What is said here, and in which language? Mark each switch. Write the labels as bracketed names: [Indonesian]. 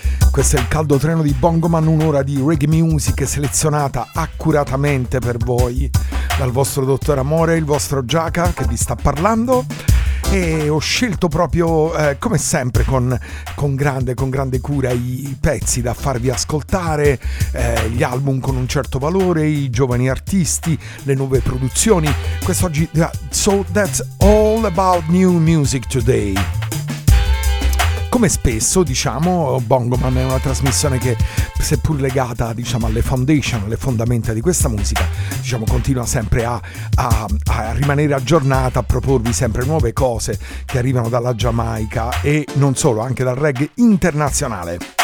[Italian] Questo è il caldo treno di Bongoman, un'ora di reggae music selezionata accuratamente per voi dal vostro dottor Amore, il vostro Jaka che vi sta parlando. E ho scelto proprio, come sempre, con grande cura i pezzi da farvi ascoltare, gli album con un certo valore, i giovani artisti, le nuove produzioni. Quest'oggi, [English] so that's all about new music today. [Italian] Come spesso, diciamo, Bongoman è una trasmissione che, seppur legata, diciamo, alle foundation, alle fondamenta di questa musica, diciamo, continua sempre a rimanere aggiornata, a proporvi sempre nuove cose che arrivano dalla Giamaica e non solo, anche dal reggae internazionale.